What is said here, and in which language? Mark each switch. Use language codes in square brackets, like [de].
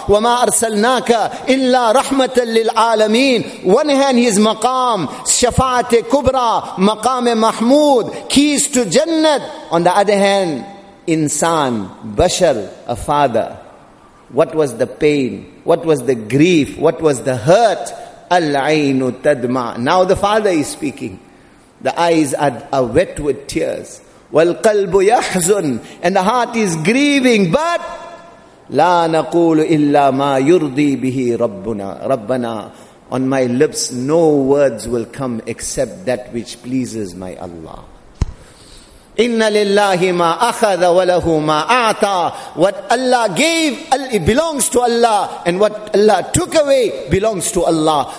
[ar] وما أرسلناك إلا رحمة للعالمين. [en] One hand his maqam [ar] شفاعت كبرى مقام محمود [en] keys to jannat. On the other hand, insan, bashar, a father. What was the pain? What was the grief? What was the hurt? [ar] العين تدمع. [en] Now the father is speaking. The eyes are wet with tears. [ar] والقلب يحزن. [en] And the heart is grieving. [ar] But لا نقول إلا ما يرضي به ربنا. [en] ربنا, on my lips no words will come except that which pleases my Allah. [ar] إن لله ما أخذ وله ما أعطى. [en] What Allah gave, it belongs to Allah, and what Allah took away belongs to Allah.